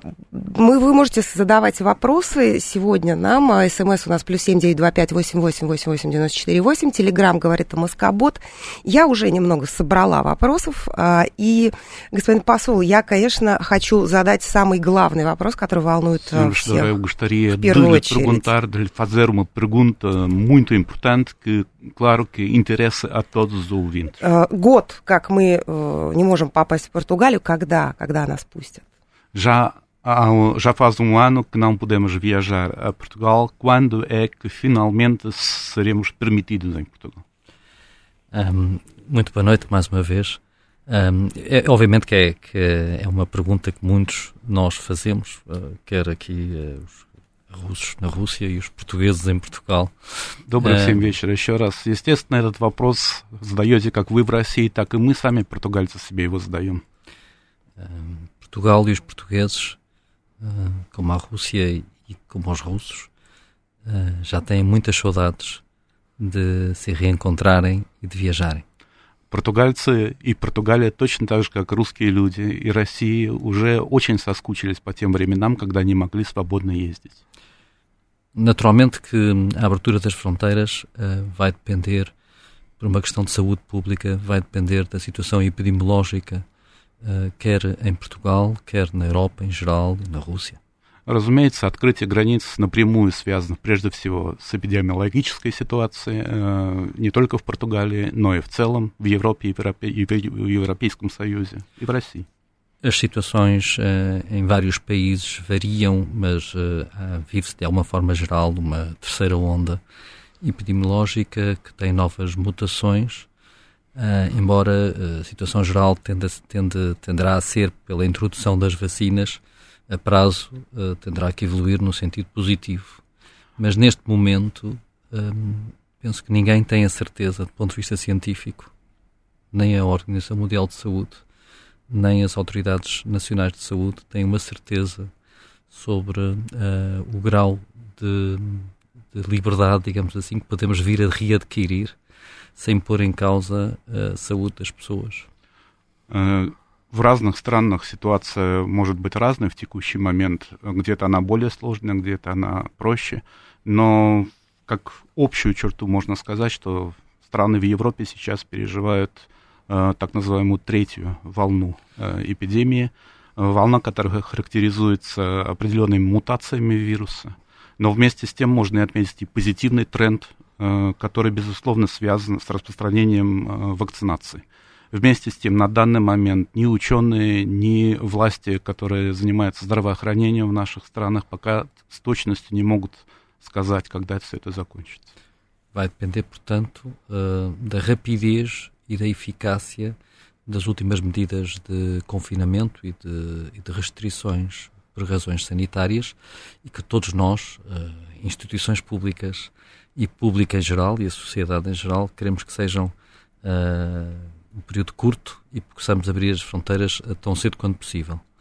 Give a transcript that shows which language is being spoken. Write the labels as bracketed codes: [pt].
[ru] Вы можете задавать вопросы сегодня нам. СМС у нас плюс 7925888948. Телеграм говорит о Москобот. Я уже немного собрала вопросов. И, господин посол, я, конечно, хочу задать самый главный вопрос, который волнует всех. Я бы хотела задать очень [pt] Claro que interessa a todos os ouvintes. [ru] Год, как мы не можем попасть в Португалию, когда? Когда нас пустят? [pt] Já faz um ano que não podemos viajar a Portugal. Quando é que finalmente seremos permitidos em Portugal? Muito boa noite mais uma vez. Obviamente que é uma pergunta que muitos nós fazemos, quer aqui os russos na Rússia e os portugueses em Portugal. [ru] Добрый вечер еще раз. Естественно, этот вопрос задаете как вы в России, так и мы сами, португальцы, себе его задаем. [pt] Portugal e os portugueses, como a Rússia e como os russos, já têm muitas saudades de se reencontrarem e de viajarem. [ru] Португальцы и Португалия точно так же, как русские люди и Россия, уже очень соскучились по тем временам, когда они могли свободно ездить. [pt] Naturalmente que a abertura das fronteiras vai depender, por uma questão de saúde pública, vai depender da situação epidemiológica quer em Portugal, quer na Europa em geral e na Rússia. [ru] Разумеется, открытие границ напрямую связано, прежде всего, с эпидемиологической ситуацией не только в Португалии, но и в целом в Европе и в Европейском Союзе и в России. [pt] As situações em vários países variam, mas vive-se de alguma forma geral de uma terceira onda epidemiológica que tem novas mutações. Embora a situação geral tenderá a ser pela introdução das vacinas, a prazo tenderá que evoluir no sentido positivo. Mas neste momento, penso que ninguém tem a certeza, do ponto de vista científico, nem a Organização Mundial de Saúde, nem as autoridades nacionais de saúde têm uma certeza sobre o grau de liberdade, digamos assim, que podemos vir a readquirir, sem pôr em causa saúde das pessoas. [ru] В разных странах ситуация может быть разной в текущий момент. Где-то она более сложная, где-то она проще. Но как общую черту можно сказать, что страны в Европе сейчас переживают так называемую третью волну эпидемии. Волна, которая характеризуется определенными мутациями вируса. Но вместе с тем можно и отметить и позитивный тренд, который, безусловно, связан с распространением вакцинации. Вместе с тем, на данный момент ни ученые, ни власти, которые занимаются здравоохранением в наших странах, пока с точностью не могут сказать, когда все это закончится. [pt] Vai depender, portanto, da rapidez e da eficácia das últimas medidas de confinamento e de restrições por razões sanitárias e que todos nós, instituições públicas, e pública em geral, e a sociedade em geral, queremos que sejam um período curto e possamos abrir as fronteiras tão cedo quanto possível.